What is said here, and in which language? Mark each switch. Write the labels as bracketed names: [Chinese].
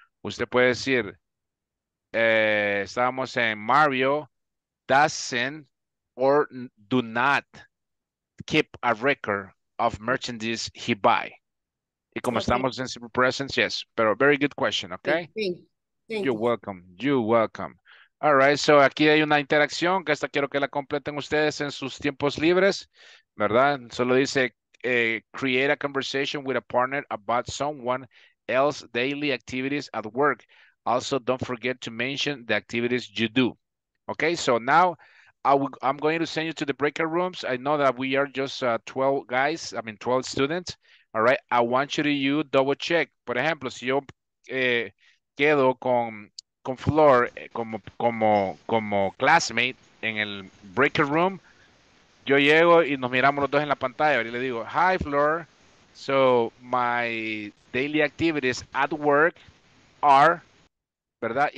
[English] Usted puede decir, estábamos en Mario, doesn't or do not keep a record of merchandise he buy. Y como estamos en simple present, yes. Pero very good question, okay? Thank you. You're welcome. [Spanish] All right, so aquí hay una interacción que esta quiero que la completen ustedes en sus tiempos libres, ¿verdad? [English] Solo dice, create a conversation with a partner about someone else's daily activities at work. Also, don't forget to mention the activities you do. Okay, so now I'm going to send you to the breakout rooms. I know that we are just 12 students. All right, I want you to double check. [Spanish] Por ejemplo, si yo quedo con Flor como classmate en el breaker room, yo llego y nos miramos los dos en la pantalla y le digo, hi Flor, so my daily activities at work are, ¿verdad?